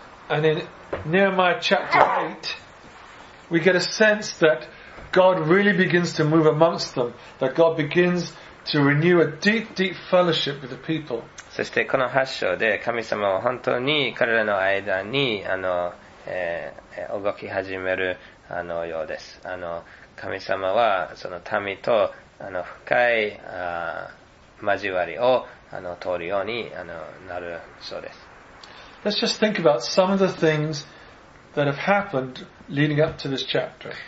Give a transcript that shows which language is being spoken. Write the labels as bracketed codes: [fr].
[en] And in Nehemiah chapter 8, we get a sense that God really begins to move amongst them, that God begins to renew a deep, deep fellowship with the people. [ja] そしてこの8章で神様は本当に彼らの間に動き始めるようです。神様はその民と深い交わりを通るようになるそうです。 [en] Let's just think about some of the things that have happened leading up to this chapter.